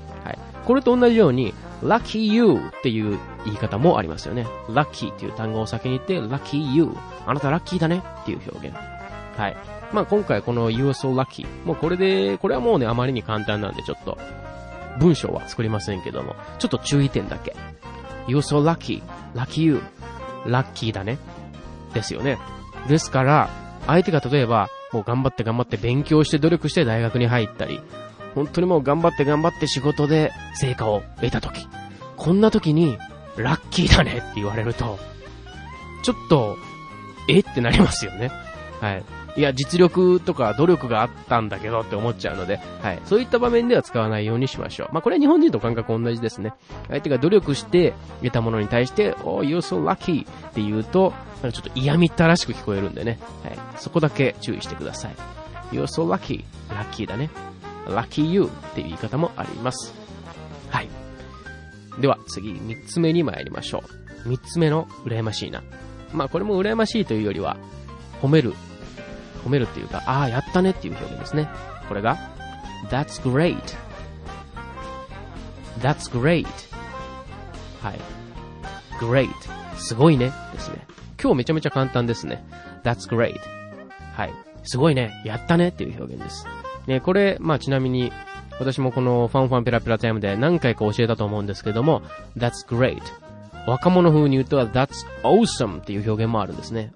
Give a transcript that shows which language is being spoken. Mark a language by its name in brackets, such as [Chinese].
[Japanese] はい、これと同じように Lucky you っていう言い方もありますよね。 Lucky っていう単語を先に言って Lucky you、 あなたラッキーだねっていう表現。はい、まあ今回この [English] You're so lucky、 [Japanese] もうこれはもうねあまりに簡単なんで、ちょっと文章は作りませんけども、ちょっと注意点だけ。 [English] You're so lucky、 [Japanese] Lucky you、 ラッキーだねですよね。ですから相手が例えばもう頑張って勉強して努力して大学に入ったり、本当にもう頑張って仕事で成果を得たとき、こんなときにラッキーだねって言われると、ちょっとえってなりますよね。はい、いや実力とか努力があったんだけどって思っちゃうので、はい、そういった場面では使わないようにしましょう。まあこれは日本人と感覚同じですね。相手が努力して得たものに対して [English] Oh you're so lucky [Japanese] って言うと、なんかちょっと嫌みったらしく聞こえるんでね、はい、そこだけ注意してください。 [English] You're so lucky、 [Japanese] ラッキーだね、ラッキーユーっていう言い方もあります。はい、では次三つ目に参りましょう。三つ目の羨ましいな、まあこれも羨ましいというよりは褒めるっていうか、ああやったねっていう表現ですね。これが [English] That's great、 That's great、 はい、 [Japanese] great. すごいね。ですね。今日めちゃめちゃ簡単ですね。 [English] That's great. [Japanese] はい。すごいね。やったね。っていう表現です。ね、これ、まあちなみに、私もこのファンファンペラペラタイムで何回か教えたと思うんですけども、 [English] That's great. [Japanese] 若者風に言うと、 [English] That's awesome. [Japanese] っていう表現もあるんですね。